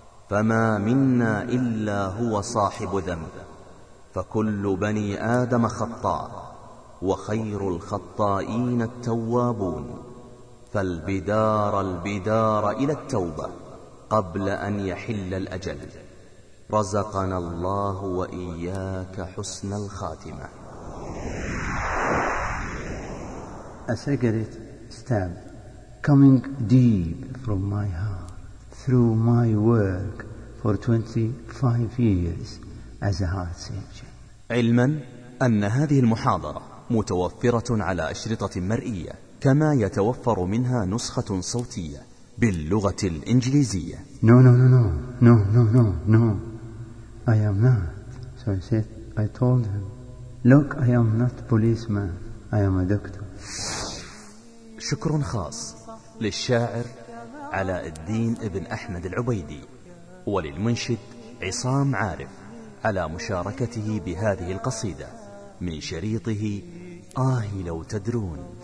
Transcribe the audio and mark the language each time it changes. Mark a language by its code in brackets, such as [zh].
[ar] فما منا إلا هو صاحب ذنب، فكل بني آدم خطاء، وخير الخطائين التوابون. فالبدار إلى التوبة قبل أن يحل الأجل. رزقنا الله وإياك حسن الخاتمة. [en] A cigarette stab coming deep from my heart through my work for 25 years as a heart surgeon. [ar] علما أن هذه المحاضرة متوفرة على أشرطة مرئية، كما يتوفر منها نسخة صوتية باللغة الإنجليزية. [en] No. I am not. So I said, I told him, look, I am not policeman. I am a doctor. [ar] شكر خاص للشاعر علاء الدين ابن أحمد العبيدي وللمنشد عصام عارف على مشاركته بهذه القصيدة من شريطه آه لو تدرون.